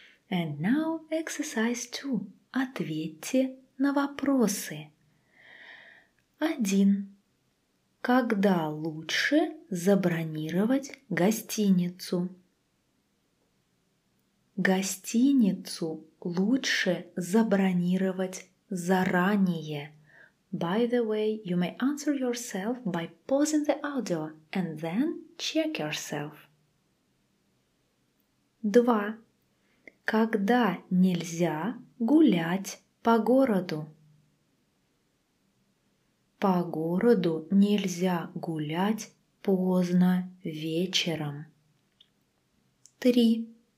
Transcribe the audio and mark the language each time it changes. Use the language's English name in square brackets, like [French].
[English] And now exercise 2. [Russian] Ответьте на вопросы. [English] 1. [Russian] Когда лучше забронировать гостиницу? Гостиницу лучше забронировать заранее. [English] By the way, you may answer yourself by pausing the audio and then check yourself. 2. [Russian] Когда нельзя гулять по городу? По городу нельзя гулять поздно вечером. 3.